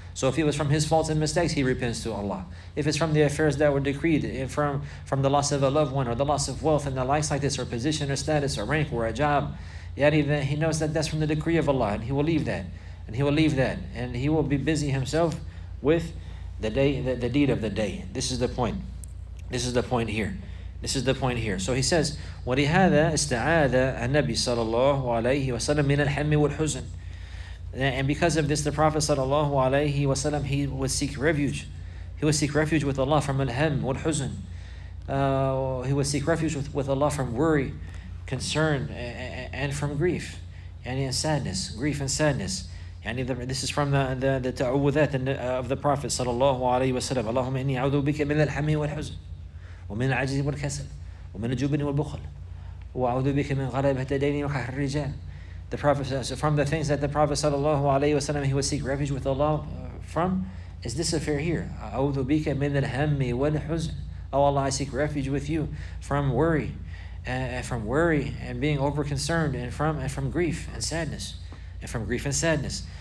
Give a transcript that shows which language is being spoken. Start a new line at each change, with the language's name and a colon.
English: So if it was from his faults and mistakes, he repents to Allah. If it's from the affairs that were decreed, if from the loss of a loved one, or the loss of wealth and the likes like this, or position or status or rank or a job, then he knows that that's from the decree of Allah, and he will leave that. And he will leave that. And he will be busy himself with the day, the deed of the day. This is the point. This is the point here. This is the point here. So he says,
Arabic: وَلِهَذَا اسْتَعَاذَ النَّبِيُّ صَلَى اللَّهُ عَلَيْهِ وَسَلَّمَ مِنَ الْحَمِّ وَالْحُزْنِ.
English: And because of this, the Prophet
Arabic: صلى الله عليه وسلم,
English: he would seek refuge. He would seek refuge with Allah from
Arabic: الْحَمِّ وَالْحُزْنِ.
English: He would seek refuge with Allah from worry, concern, and from grief. And in sadness, grief and sadness. And this is from the ta'awudhat of the Prophet
Arabic: صلى الله عليه وسلم. اللهم إني أعوذ بك من الحمي والحزن. ومن العجز والكسل ومن الجبن والبخل وأعوذ بك من غلبة الدين وقهر الرجال.
English: The Prophet, so from the things that the Prophet sallallahu alayhi wa sallam, he would seek refuge with Allah from, is this affair here.
Arabic: أعوذ بك من الهم والحزن.
English: Oh Allah, I seek refuge with you from worry, and being over concerned, and from grief and sadness, and from grief and sadness.